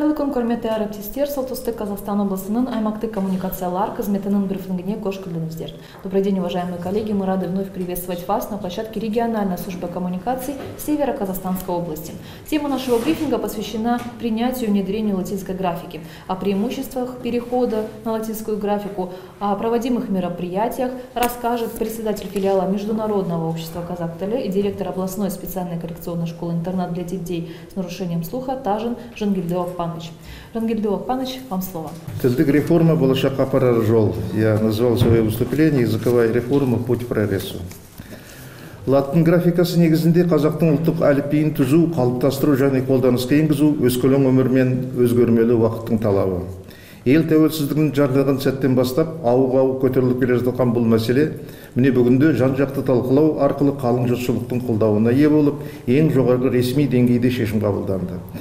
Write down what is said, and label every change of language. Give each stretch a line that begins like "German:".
Kazakh: құрметті әріптестер, Солтүстік Қазақстан облысының аймақтық коммуникациялар қызметінің брифингіне қош келдіңіздер.
Russian: Добрый день, уважаемые коллеги, мы рады вновь приветствовать вас на площадке региональной службы коммуникаций Северо-Казахстанской области. Тема нашего брифинга посвящена принятию и внедрению латинской графики, о преимуществах перехода на латинскую графику, о проводимых мероприятиях расскажет председатель филиала Международного общества Казахтеле и директор областной специальной коррекционной школы-интернат для детей с нарушением слуха Тажин Жангельдиев Панович. Жангельдиев Панович, вам слово.
Kazakh: Тілдік реформа болашаққа апарар жол.
Russian: Я назвал свое выступление «Языковая реформа. Путь прогрессу».
Kazakh: Латын графикасы негізінде қазақтың ұлттық әліпбиін түзу, қалыптастыру және қолданысқа енгізу өскелең өмір мен өзгермелі уақыттың талабы. Ел тәуелсіздігінің жарлығын сәттен бастап, ауық-ауық көтеріліп келе жатқан бұл мәселе, міне бүгінде жан-жақты талқылау арқылы қалың жұртшылықтың қолдауына ие болып, ең жоғарғы ресми деңгейде шешім қабылданды.